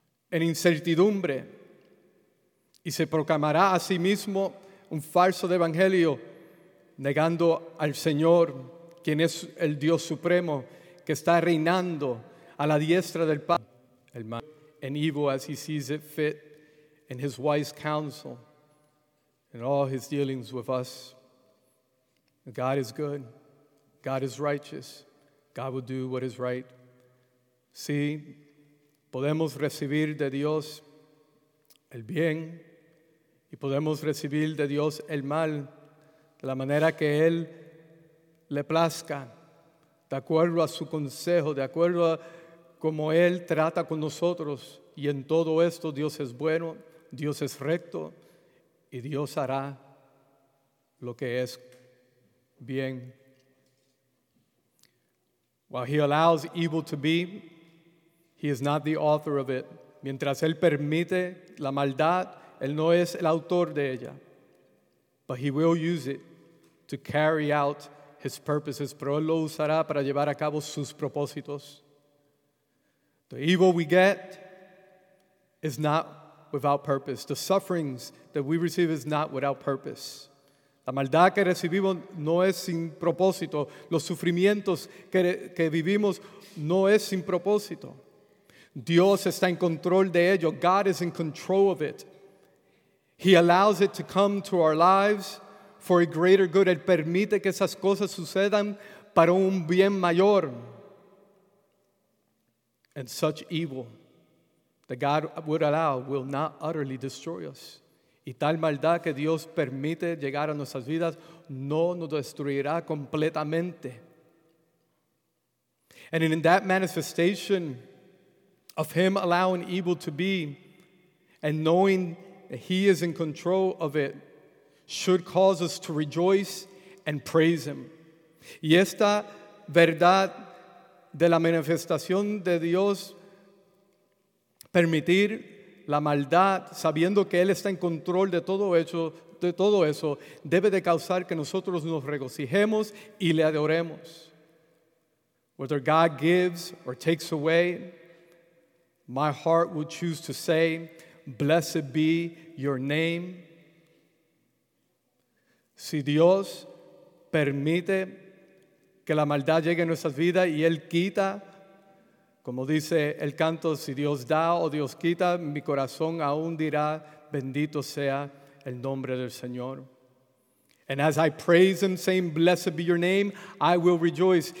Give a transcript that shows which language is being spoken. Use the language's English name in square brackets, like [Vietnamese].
[Spanish] en incertidumbre y se proclamará a sí mismo un falso evangelio, negando al Señor, quien es el Dios supremo, que está reinando a la diestra del Padre, en [English] evil as he sees it fit, in his wise counsel, in all his dealings with us. God is good. God is righteous. God will do what is right. [Spanish] Sí, podemos recibir de Dios el bien y podemos recibir de Dios el mal de la manera que Él le plazca, de acuerdo a su consejo, de acuerdo a cómo Él trata con nosotros. Y en todo esto, Dios es bueno, Dios es recto y Dios hará lo que es bien. [English] While he allows evil to be, he is not the author of it. [Spanish] Mientras él permite la maldad, él no es el autor de ella. [English] But he will use it to carry out his purposes. [Spanish] Pero él lo usará para llevar a cabo sus propósitos. [English] The evil we get is not without purpose. The sufferings that we receive is not without purpose. [Spanish] La maldad que recibimos no es sin propósito. Los sufrimientos que vivimos no es sin propósito. Dios está en control de ello. [English] God is in control of it. He allows it to come to our lives for a greater good. [Spanish] Él permite que esas cosas sucedan para un bien mayor. [English] And such evil that God would allow will not utterly destroy us. [Spanish] Y tal maldad que Dios permite llegar a nuestras vidas no nos destruirá completamente. [English] And in that manifestation of him allowing evil to be and knowing that he is in control of it should cause us to rejoice and praise him. [Spanish] Y esta verdad de la manifestación de Dios permitir la maldad, sabiendo que él está en control de todo eso, debe de causar que nosotros nos regocijemos y le adoremos. [English] Whether God gives or takes away, my heart will choose to say, blessed be your name. [Spanish] Si Dios permite que la maldad llegue a nuestras vidas y Él quita, como dice el canto, si Dios da o Dios quita, mi corazón aún dirá, bendito sea el nombre del Señor. [English] And as I praise him, saying, blessed be your name, I will rejoice.